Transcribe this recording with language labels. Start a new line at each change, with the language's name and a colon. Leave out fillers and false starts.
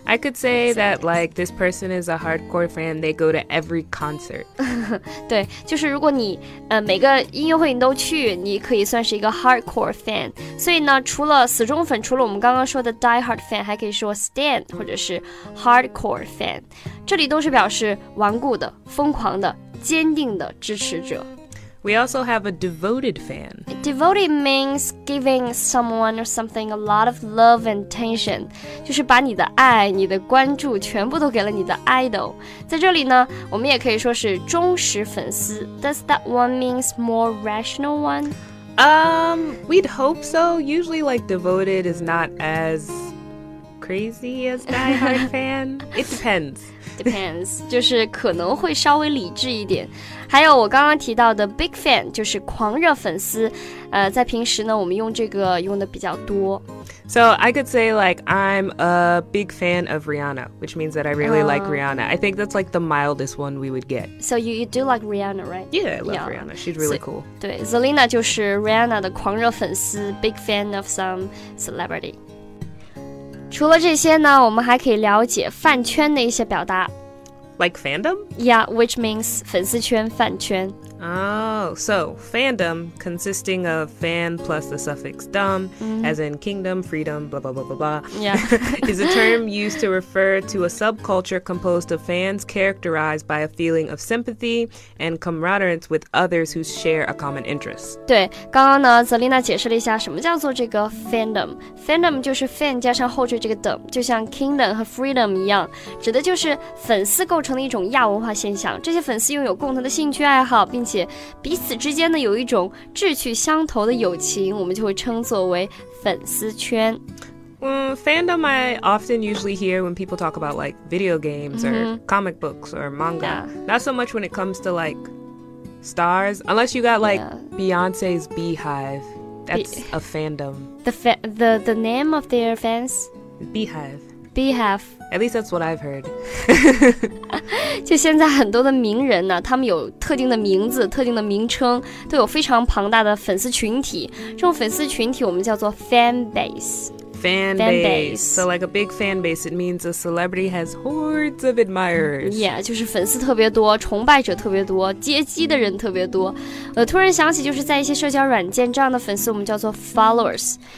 English: I could say that, like, this person is a hardcore fan. They go to every concert.
Chinese: 对，就是如果你每个音乐会你都去，你可以算是一个 hardcore fan. 所以呢，除了死忠粉，除了我们刚刚说的 diehard fan， 还可以说 stan 或者是 hardcore fan. 这里都是表示顽固的、疯狂的、坚定的支持者。
English: We also have a devoted fan. Devoted means giving someone or something a lot of love and attention. 就是把你的爱、你的关注全部都给了你的 idol. 在这里呢，我们也可以说是忠实粉丝。 Does that one mean more rational one? We'd hope so. Usually, like, devoted is not as crazy as diehard fan. It depends. Depends,
Chinese: 就是可能会稍微理智一点。还有我刚刚提到的 big fan, 就是狂热粉丝。在平时呢，我们用这个用的比较多。
English: So I could say like I'm a big fan of Rihanna, which means that I really like Rihanna. I think that's like the mildest one we would get. So you do like Rihanna, right? Yeah, I love Rihanna. She's really cool.
Chinese: 对 ，Zelina 就是 Rihanna 的狂热粉丝 ，
English: big fan of some celebrity.
Chinese: 除了这些呢，我们还可以了解饭圈的一些表达
English: ，like fandom. Yeah, which means
Chinese: 粉丝圈、饭圈。
English: Oh, so fandom consisting of fan plus the suffix dom, as in kingdom, freedom, blah blah blah blah blah. Yeah, is a term used to refer to a subculture composed of fans characterized by a feeling of sympathy and camaraderie with others who share a common interest.
Chinese: 对，刚刚呢 ，Zelina 解释了一下什么叫做这个 fandom. Fandom 就是 fan 加上后缀这个 dom， 就像 kingdom 和 freedom 一样，指的就是粉丝构成的一种亚文化现象。这些粉丝拥有共同的兴趣爱好。并且彼此之间呢有一种志趣相投的友情，我们就会称作为粉丝圈。
English: Fandom I often usually hear when people talk about like video games or comic books or manga. Not so much when it comes to like stars, unless you got like Beyonce's Beehive. That's a fandom. The name of their fans? Beehive. BHF. At least that's what I've heard.
Chinese: 就现在很多的名人呢，他们有特定的名字，特定的名称，都有非常庞大的粉丝群体。这种粉丝群体我们叫做 fan base。
English: Fan base. So like a big fan base, it means a celebrity has hordes of admirers. Yeah,
Chinese: 就是粉丝特别多，崇拜者特别多，接机的人特别多。突然想起就是在一些社交软件这样的粉丝我们叫做 followers.